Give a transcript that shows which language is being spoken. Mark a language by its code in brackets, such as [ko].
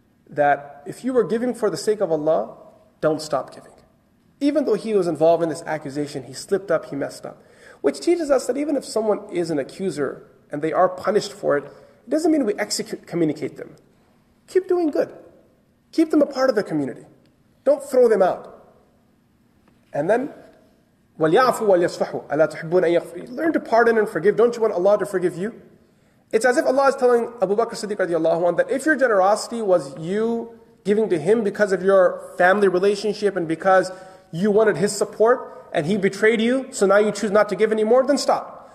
[en] That if you were giving for the sake of Allah, don't stop giving. Even though he was involved in this accusation, he slipped up, he messed up. Which teaches us that even if someone is an accuser and they are punished for it, it doesn't mean we communicate them. Keep doing good. Keep them a part of the community. Don't throw them out. And then, [ar] وَلْيَعْفُوا وَلْيَصْفَحُوا أَلَا تُحِبُّونَ أَنْ يَغْفِرُوا. [en] Learn to pardon and forgive. Don't you want Allah to forgive you? It's as if Allah is telling Abu Bakr Siddiq radiallahu anhu that if your generosity was you giving to him because of your family relationship and because you wanted his support and he betrayed you, so now you choose not to give anymore, then stop.